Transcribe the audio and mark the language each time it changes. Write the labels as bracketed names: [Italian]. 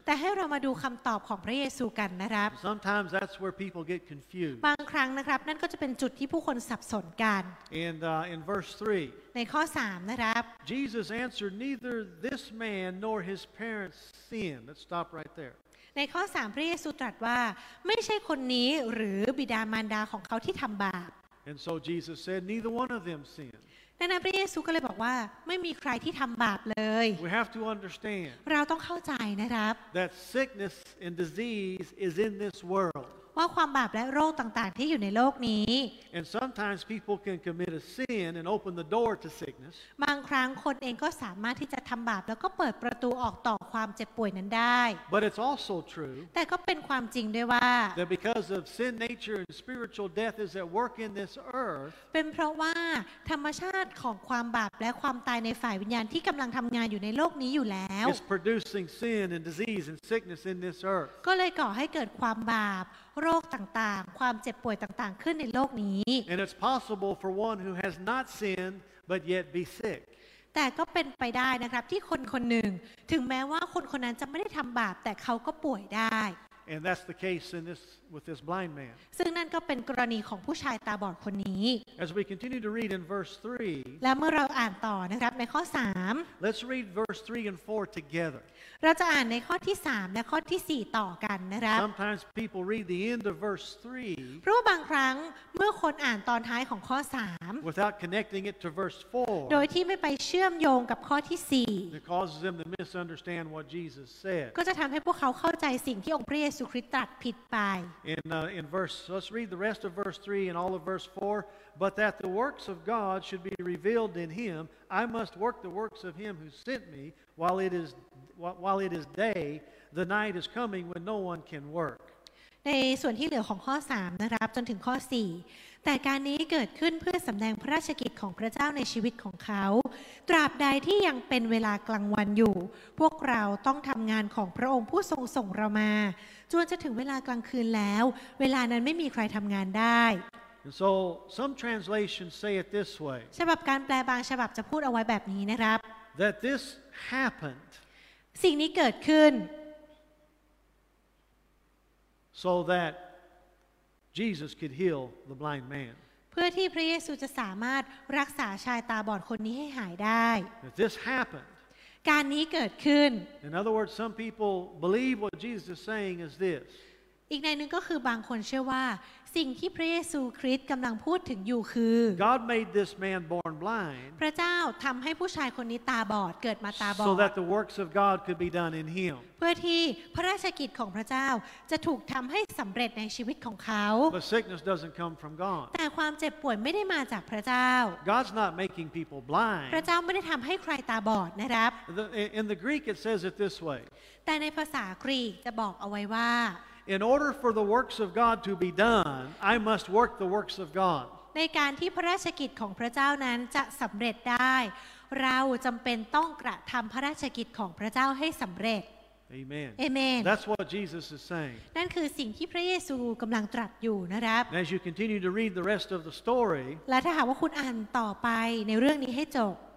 [Thai] แต่ให้เรามาดูคำตอบของพระเยซูกันนะครับ [English] Sometimes that's where people get confused [Thai] บางครั้งนะครับนั่นก็จะเป็นจุดที่ผู้คนสับสนกัน [English] In verse 3 [Thai] ในข้อ3นะครับ [English] Jesus answered neither this man nor his parents sinned Let's stop right there [Thai] ในข้อ3พระเยซูตรัสว่าไม่ใช่คนนี้หรือบิดามารดาของเขาที่ทำบาป [English] And so Jesus said, neither one of them sinned. [Thai] ดังนั้นพระเยซูก็เลยบอกว่าไม่มีใครที่ทำบาปเลย [English] We have to understand [Thai] เราต้องเข้าใจนะครับ [English] that sickness and disease is in this world. [Thai] ว ว่าความบาปและโรคต่างๆที่อยู่ในโลกนี้ [English] And sometimes people can commit a sin and open the door to sickness [Thai] บางครั้งคนเองก็สามารถที่จะทำบาปแล้วก็เปิดประตูออกต่อความเจ็บป่วยนั้นได้ [English] But it's also true [Thai] แต่ก็เป็นความจริงด้วยว่า [English] That because of sin nature and spiritual death is at work in this earth [Thai] เป็นเพราะว่าธรรมชาติของความบาปและความตายในฝ่ายวิญญาณที่กำลังทำงานอยู่ในโลกนี้อยู่แล้ว [English] It's producing sin and disease and sickness in this earth [Thai] ก็เลยก่อให้เกิดความบาปโรคต่างๆความเจ็บป่วยต่างๆขึ้นในโลกนี้ [English] And it's possible for one who has not sinned but yet be sick [Thai] แต่ก็เป็นไปได้นะครับที่คนคนหนึ่งถึงแม้ว่าคนคนนั้นจะไม่ได้ทำบาปแต่เขาก็ป่วยได้ [English] And that's the case in this with this blind man [Thai] ซึ่งนั่นก็เป็นกรณีของผู้ชายตาบอดคนนี้ [English] As we continue to read in verse 3 [Thai] และเมื่อเราอ่านต่อนะครับในข้อ3 [English] Let's read verse 3 and 4 together [Thai] เราจะอ่านในข้อที่3และข้อที่4ต่อกันนะครับ [English] Sometimes people read the end of verse 3 [Thai] เพราะบางครั้งเมื่อคนอ่านตอนท้ายของข้อ3 [English] without connecting it to verse 4 [Thai] โดยที่ไม่ไปเชื่อมโยงกับข้อที่4 [English] It causes them to misunderstand what Jesus said ก็จะทำให้พวกเขาเข้าใจสิ่งที่องค์พระเยซูคริสต์ตรัสผิดไป In verse, let's read the rest of verse 3 and all of verse 4. But that the works of God should be revealed in him, I must work the works of him who sent me while it is day. The night is coming when no one can work. [Thai] ในส่วนที่เหลือของข้อ3นะครับจนถึงข้อ4แต่การนี้เกิดขึ้นเพื่อสำแดงพระราชกิจของพระเจ้าในชีวิตของเขาตราบใดที่ยังเป็นเวลากลางวันอยู่พวกเราต้องทำงานของพระองค์ผู้ทรงส่งเรามาจวนจะถึงเวลากลางคืนแล้วเวลานั้นไม่มีใครทำงานได้ [English] So some translations say it this way [Thai] ฉบับการแปลบางฉบับจะพูดเอาไว้แบบนี้นะครับ [English] That this happened [Thai] สิ่งนี้เกิดขึ้น [English] So thatJesus could heal the blind man. [Thai] เพื่อที่พระเยซูจะสามารถรักษาชายตาบอดคนนี้ให้หายได้ [English] If this happened, [Thai] การนี้เกิดขึ้น [English] In other words, some people believe what Jesus is saying is this. [Thai] อีกในนึงก็คือบางคนเชื่อว่าสิ่งที่พระเยซูคริสต์กำลังพูดถึงอยู่คือ [English] God made this man born blind. [Thai] พระเจ้าทำให้ผู้ชายคนนี้ตาบอดเกิดมาตาบอด [English] So that the works of God could be done in him. [Thai] เพื่อที่พระราชกิจของพระเจ้าจะถูกทำให้สำเร็จในชีวิตของเขา [English] But sickness doesn't come from God. [Thai] แต่ความเจ็บป่วยไม่ได้มาจากพระเจ้า [English] God's not making people blind. [Thai] พระเจ้าไม่ได้ทำให้ใครตาบอดนะครับ [English] In the Greek it says it this way. [Thai] แต่ในภาษากรีกจะบอกเอาไว้ว่า [English] In order for the works of God to be done, I must work the works of God. [Thai] ในการที่พระราชกิจของพระเจ้านั้นจะสำเร็จได้เราจำเป็นต้องกระทำพระราชกิจของพระเจ้าให้สำเร็จ [English] Amen. Amen. That's what Jesus is saying. [Thai] นั่นคือสิ่งที่พระเยซูกำลังตรัสอยู่นะครับ [English] As you continue to read the rest of the story, [Thai] และถ้าหากว่าคุณอ่านต่อไปในเรื่องนี้ให้จบ